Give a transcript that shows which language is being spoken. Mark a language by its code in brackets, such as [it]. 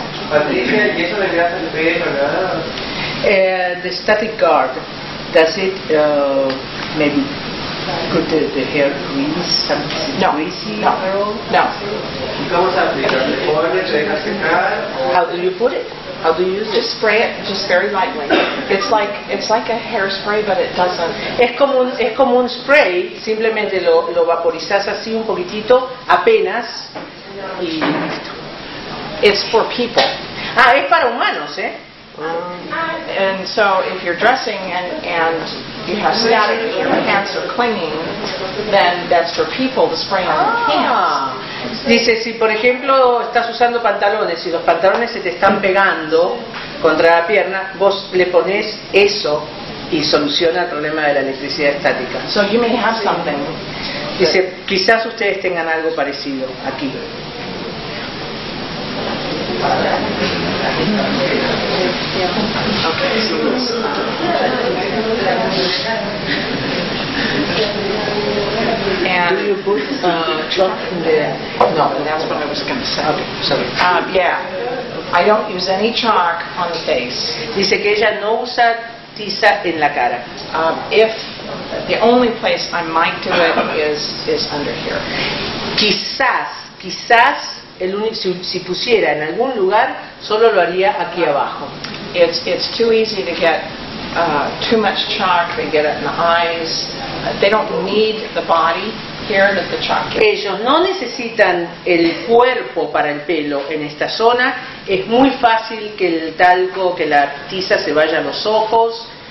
[es] Patricia, ¿y eso le hace el pie colgado? [en] The static guard, does it maybe put the hair grease, something greasy? No. [es] ¿Y cómo se aplica? ¿Se pone, se deja secar? [en] How do you put it? How do you use it? Just spray it, just very lightly. It's like a hairspray, but it doesn't. [es] Es como un spray. Simplemente lo vaporizas así un poquitito, apenas. [en] It's for people. [es] Ah, es para humanos, eh? [en] And so if you're dressing and you have static and your pants are clinging, then that's for people to spray on the pants. [es] Dice, si por ejemplo estás usando pantalones y los pantalones se te están pegando contra la pierna, vos le pones eso y soluciona el problema de la electricidad estática. [en] So you may have something. [es] Dice, quizás ustedes tengan algo parecido aquí. [en] Okay. And do you put chalk in the... No, that's what I was going to say. Okay, sorry. Yeah, I don't use any chalk on the face. [es] Dice que ella no usa tiza en la cara. [en] If the only place I might do it is under here. [es] Quizás el único, si pusiera en algún lugar, solo lo haría aquí abajo. [en] It's too easy to get too much chalk. They get it in the eyes. They don't need the body here that the chalk is. [es] Ellos no necesitan el cuerpo para el pelo en esta zona. Es muy fácil que el talco, que la tiza se vaya a los ojos.